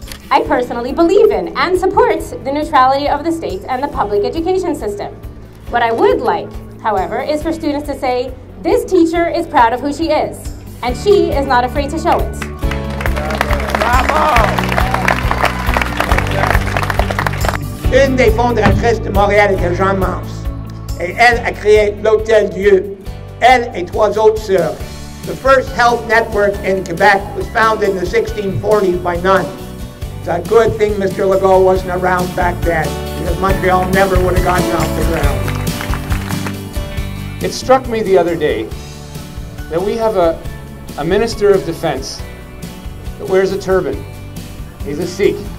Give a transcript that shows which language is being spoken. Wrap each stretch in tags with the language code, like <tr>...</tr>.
<en>I personally believe in and support the neutrality of the state and the public education system. What I would like, however, is for students to say, this teacher is proud of who she is, and she is not afraid to show it. Bravo!</en> <fr>Une des fondatrices de Montréal était Jeanne Mance, et elle a créé l'Hôtel Dieu. Elle et trois autres sœurs.</fr> <en>The first health network in Quebec was founded in the 1640s by nuns. It's a good thing Mr. Legault wasn't around back then, because Montreal never would have gotten off the ground. It struck me the other day that we have a minister of defense that wears a turban. He's a Sikh.</en>